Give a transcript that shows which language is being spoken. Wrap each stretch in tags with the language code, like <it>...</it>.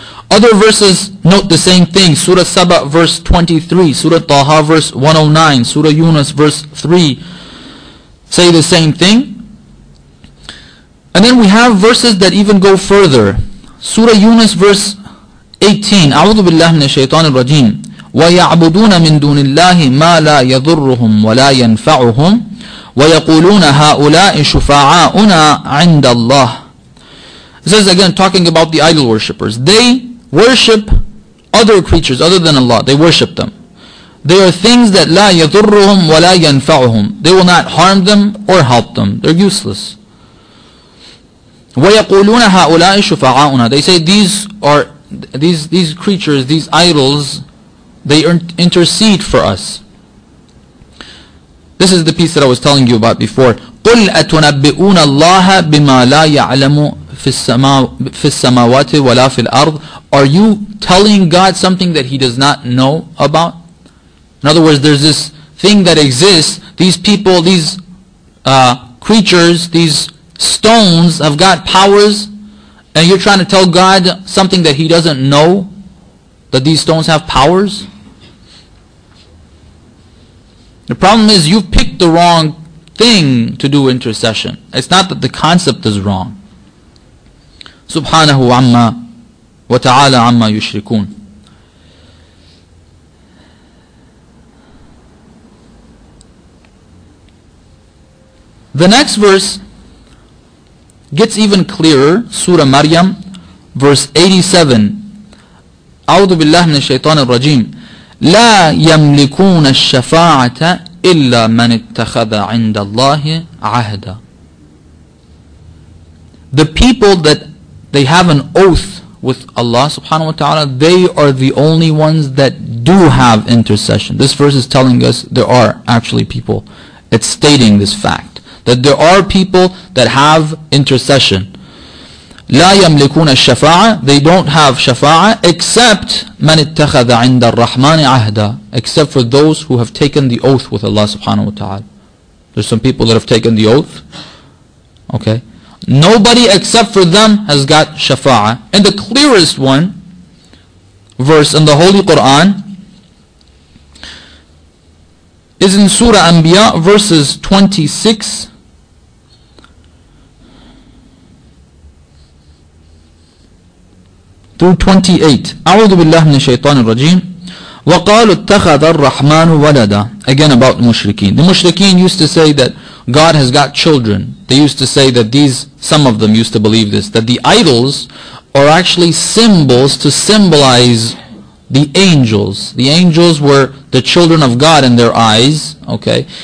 <en>Other verses note the same thing. Surah Saba, verse 23. Surah Taha, verse 109. Surah Yunus, verse 3. Say the same thing. And then we have verses that even go further. Surah Yunus, verse 18.</en> <ar>أعوذ بالله من الشيطان الرجيم ويعبدون من دون الله ما لا يضرهم ولا ينفعهم ويقولون هؤلاء شفعاؤنا عند الله.</ar> <en>This is again talking about the idol worshippers. They worship other creatures other than Allah. They worship them. They are things that</en> <ar>لا يضرهم ولا ينفعهم.</ar> <en>They will not harm them or help them. They're useless.</en> <ar>ويقولون هؤلاء شفعاؤنا.</ar> <en>They say these creatures, these idols, they intercede for us. This is the piece that I was telling you about before.</en> <ar>قل أتنبئون الله بما لا يعلم في السماوات ولا في الأرض.</ar> <en>Are you telling God something that He does not know about? In other words, there's this thing that exists. These people, these creatures, these stones have got powers, and you're trying to tell God something that He doesn't know, that these stones have powers? The problem is you've picked the wrong thing to do intercession. It's not that the concept is wrong.</en> <ar>Subhanahu amma wa ta'ala amma yushrikun.</ar> <en>The next verse gets even clearer. Surah Maryam, verse 87.</en> <ar>A'udhu billahi minash shaitani rajim. لا يملكون الشفاعة إلا من اتخذ عند الله عهدا.</ar> <en>The people that they have an oath with Allah subhanahu wa ta'ala, they are the only ones that do have intercession. This verse is telling us there are actually people. It's stating this fact, that there are people that have intercession.</en> <ar>لا يملكون الشفاعة.</ar> <en>They don't have شفاعة except</en> <ar>من اتخذ عند الرحمن عهدا.</ar> <en>Except for those who have taken the oath with Allah subhanahu wa ta'ala. There's some people that have taken the oath. Okay. Nobody except for them has got شفاعة. And the clearest one, verse in the Holy Quran, is in Surah Anbiya, verses 26. Through 28.</en> <ar>أعوذ بالله من الشيطان الرجيم. وقالوا اتخذ الرحمن ولدا.</ar> <en>Again about mushrikeen. The mushrikeen used to say that God has got children. They used to say that some of them used to believe this, that the idols are actually symbols to symbolize the angels. The angels were the children of God in their eyes, okay?</en>